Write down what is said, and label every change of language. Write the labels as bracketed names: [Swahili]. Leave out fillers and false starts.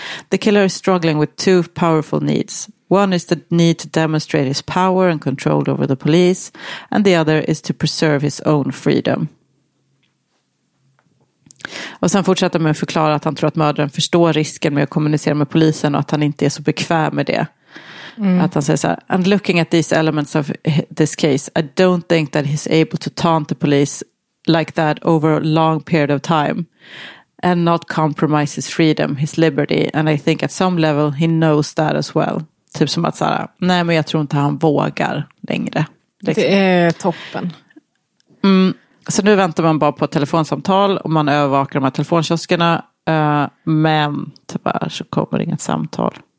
[English] The killer is struggling with two powerful needs. One is the need to demonstrate his power and control over the police, and the other is to preserve his own freedom. [Swedish] Och sen fortsätter man förklara att han tror att mördaren förstår risken med att kommunicera med polisen och att han inte är så bekväm med det. Mm. Att han säger så här, [English] and looking at these elements of this case, I don't think that he's able to taunt the police like that over a long period of time and not compromise his freedom, his liberty, and I think at some level he knows that as well. [Swedish] Typ som att säga, nej men jag tror inte han vågar längre. Liksom. Det är toppen. Mm. Så nu väntar man bara på ett telefonsamtal och man övervakar de här telefonkioskerna men tyvärr så kommer inget samtal.